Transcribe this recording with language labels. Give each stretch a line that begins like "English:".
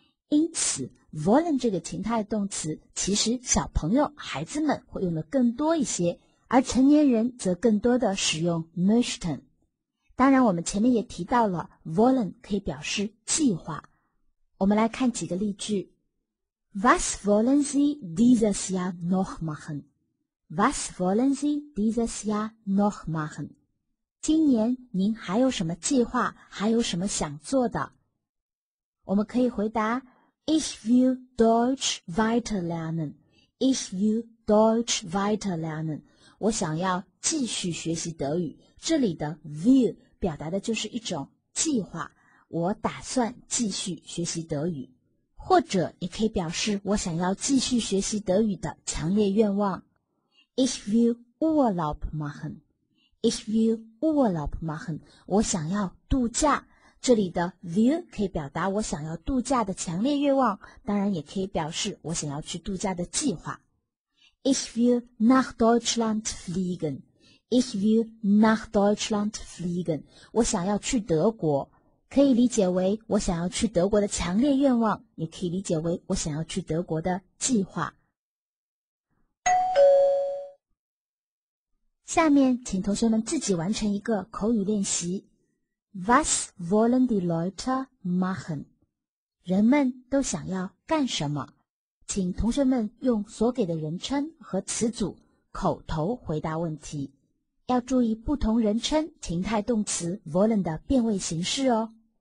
Chinese: 因此 wollen 这个情态动词其实小朋友孩子们会用的更多一些，而成年人则更多的使用 möchten。当然我们前面也提到了 wollen 可以表示计划，我们来看几个例句。
German: Was wollen Sie dieses Jahr noch machen? Was wollen Sie dieses Jahr noch machen?
Chinese: 今年您还有什么计划，还有什么想做的？我们可以回答
German: Ich will Deutsch weiterlernen.
Chinese: Ich will Deutsch weiterlernen. 我想要继续学习德语。这里的 will 表达的就是一种计划，我打算继续学习德语。或者也可以表示我想要继续学习德语的强烈愿望。
German: Ich will Urlaub machen. Ich will Urlaub machen.
Chinese: 我想要度假。这里的 will 可以表达我想要度假的强烈愿望，当然也可以表示我想要去度假的计划。
German: Ich will nach Deutschland fliegen. Ich will nach Deutschland fliegen.
Chinese: 我想要去德国。可以理解为我想要去德国的强烈愿望，也可以理解为我想要去德国的计划。下面请同学们自己完成一个口语练习。
German: Was wollen die Leute machen?
Chinese: 人们都想要干什么？请同学们用所给的人称和词组口头回答问题。要注意不同人称情态动词 wollen 的变位形式哦。